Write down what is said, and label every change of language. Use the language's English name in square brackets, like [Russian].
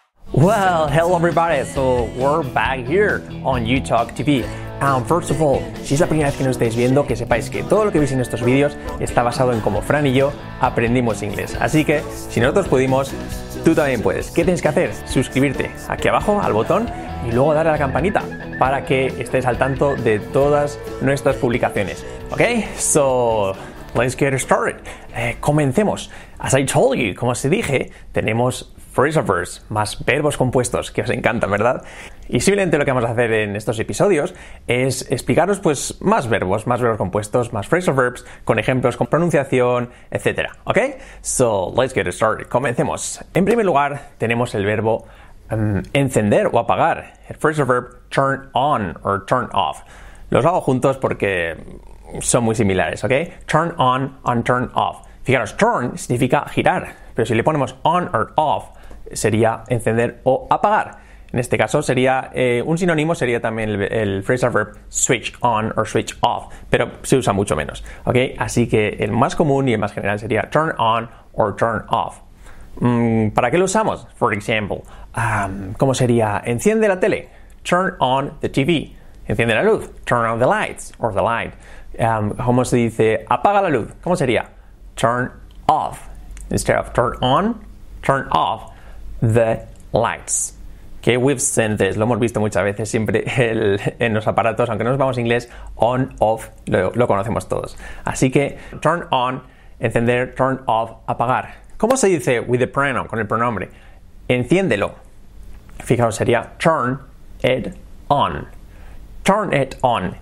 [English] Well, hello everybody, so we're back here on Yuzhuk TV. First of all, [Spanish] si es la primera vez que nos estáis viendo, que sepáis que todo lo que veis en estos vídeos está basado en cómo Fran y yo aprendimos inglés. Así que, si nosotros pudimos, tú también puedes. ¿Qué tienes que hacer? Suscribirte aquí abajo al botón y luego darle a la campanita para que estés al tanto de todas nuestras publicaciones. [English] Ok, so let's get started. [Spanish] Comencemos. [English] As I told you, [Spanish] como os dije, tenemos phrasal verbs más verbos compuestos que os encantan, ¿verdad? Y simplemente lo que vamos a hacer en estos episodios es explicaros pues más verbos compuestos, más phrasal verbs con ejemplos, con pronunciación, etc. ¿Ok? [English] So, let's get started. [Spanish] Comencemos. En primer lugar, tenemos el verbo encender o apagar. El phrasal verb turn on or turn off. Los hago juntos porque son muy similares, ¿ok? Turn on and turn off. Fijaros, turn significa girar, pero si le ponemos on or off, sería encender o apagar. En este caso sería, un sinónimo sería también el phrasal verb switch on or switch off, pero se usa mucho menos, ¿ok? Así que el más común y el más general sería turn on or turn off. ¿Para qué lo usamos? [English] For example, [Spanish] ¿cómo sería? Enciende la tele, [English] turn on the TV. [Spanish] Enciende la luz, [English] turn on the lights or the light. [Spanish] ¿Cómo se dice? Apaga la luz, ¿cómo sería? Turn off. [English] Instead of turn on, turn off the lights. [Spanish] Que [English] okay, we've seen this, [Spanish] lo hemos visto muchas veces siempre en los aparatos, aunque no nos vamos a inglés, on, off, lo conocemos todos. Así que turn on, encender, turn off, apagar. ¿Cómo se dice [English] with the pronoun, [Spanish] con el pronombre? Enciéndelo. Fijaos, sería [English] turn it on. Turn it on.